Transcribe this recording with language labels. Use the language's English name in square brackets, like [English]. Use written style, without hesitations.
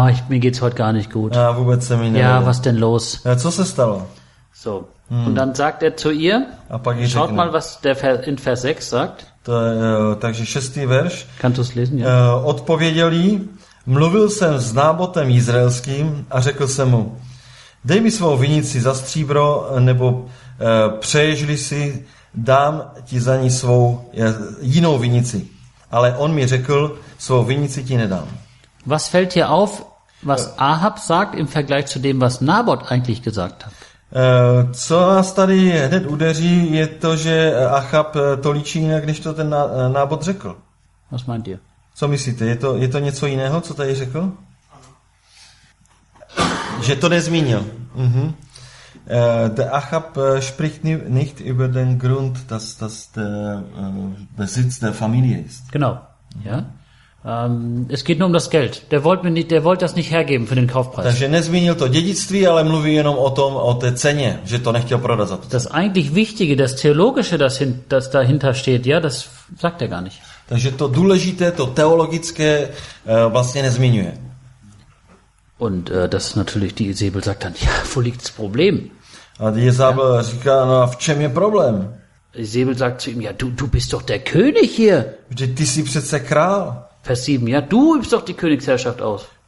[German] Mir geht's heute gar nicht gut. [Czech] Vůbec se mi nevím. [German] Ja, was denn los? [Czech] Ja, co se stalo? [German] So, Und dann sagt zu ihr, schaut mal, was der in Vers 6 sagt. [Czech] To je, takže šestý verš. [German] Kannst du's lesen, ja. [Czech] Odpověděl jí, mluvil jsem s Nábotem izraelským a řekl jsem mu, dej mi svou vinici za stříbro, nebo přeješ-li si, dám ti za ní svou jinou vinici. Ale on mi řekl, svou vinici ti nedám. [German] Was fällt dir auf, was Ahab sagt im Vergleich zu dem, was Nabot eigentlich gesagt hat? [Czech] Co nás tady hned udeří, je to, že Achab to líčí jinak, než to ten Nábot řekl. [German] Was meint ihr? [Czech] Co myslíte, je to něco jiného, co tady řekl? Že to nezmínil. Mhm. [German] Der Achab spricht nicht über den Grund, dass das der Besitz der Familie ist. Genau. Ja. Es geht nur um das Geld. Der wollte das nicht hergeben für den Kaufpreis. [Czech] Takže nezmínil to dědictví, ale mluví jenom o tom, o té ceně, že to nechtěl prodat za to. [German] Das eigentlich wichtige, das theologische, das dahinter steht, ja, das sagt er gar nicht. [Czech] Takže to důležité, to teologické vlastně nezmiňuje. [German] Und das natürlich die Isabel sagt dann, ja, wo liegt das Problem? [Czech] A die Isabel říká, no, v čem je problém? [German] Isabel sagt zu ihm, ja, du bist doch der König hier. [Czech] Vždyť ty jsi přece král. [German] Vers 7, ja, du übst doch die Königsherrschaft aus.